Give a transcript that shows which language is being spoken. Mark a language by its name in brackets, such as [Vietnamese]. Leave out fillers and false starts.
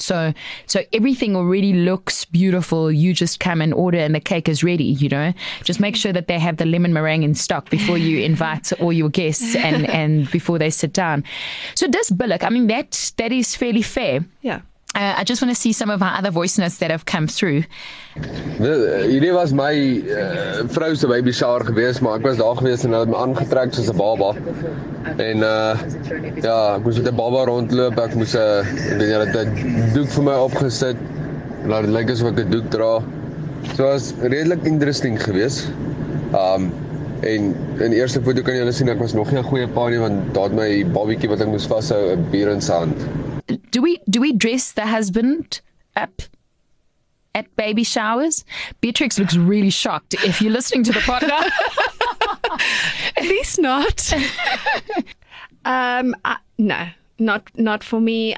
[English] So everything already looks beautiful. You just come and order and the cake is ready, you know. Just make sure that they have the lemon meringue in stock before you invite all your guests and before they sit down. So this billet, I mean, that is fairly fair. Yeah. I just want to see some of our other voice notes that have come through. [Afrikaans] Hierdie was my vrou se baby shower gewees, maar ek was daar gewees en hulle het my aangetrek soos 'n baba. En ek moes met 'n baba rondloop, ek moes 'n doek vir my opgesit. Laat dit lyk asof ek 'n doek dra. So was redelik interesting gewees. En in eerste foto kan jy hulle sien ek was nog nie 'n goeie pa nie, want daar het my babietjie wat ek moes vashou 'n bier in sy hand. [English] Do we dress the husband up at baby showers? Beatrix looks really shocked. If you're listening to the podcast, at least not. not for me.